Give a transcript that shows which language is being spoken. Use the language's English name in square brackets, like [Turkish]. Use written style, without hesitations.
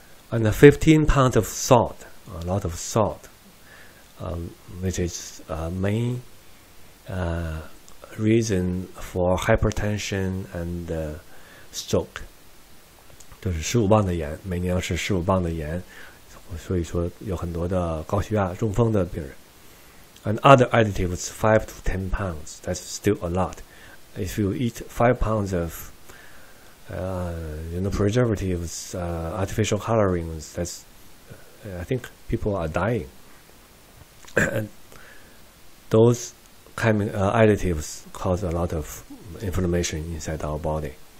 [English] And 15 pounds of salt, a lot of salt, which is main reason for hypertension and stroke. [Chinese] 就是15磅的盐, 每年要吃15磅的盐, 所以说有很多的高血压中风的病人. [English] And other additives, 5 to 10 pounds, that's still a lot. If you eat 5 pounds of you know, preservatives, artificial colorings, that's, I think people are dying. And those additives cause a lot of inflammation inside our body.